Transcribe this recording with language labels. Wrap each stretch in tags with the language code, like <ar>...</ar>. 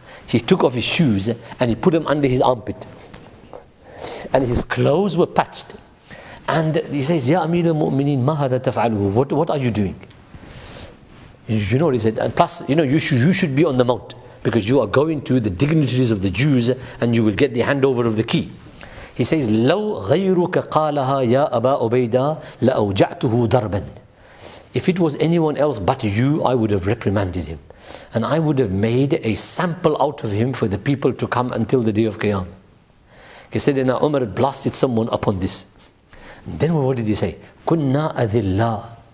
<en>He took off his shoes and he put them under his armpit. And his clothes were patched. And he says,</en> <ar>Ya Amir al-Mu'mineen, ma hadha taf'aluhu?</ar> <en>What are you doing? You know what he said? And plus, you know, you should be on the mount because you are going to the dignitaries of the Jews and you will get the handover of the key. He says,</en> <ar>لَوْ غَيْرُكَ قَالَهَا يَا أَبَا عُبَيْدَى لَأَوْجَعْتُهُ دَرْبًا.</ar> <en>If it was anyone else but you, I would have reprimanded him. And I would have made a sample out of him for the people to come until the day of Qiyam. He said, and Umar blasted someone upon this. And then what did he say?</en> <ar>كُنَّا أَذِلَّا.</ar>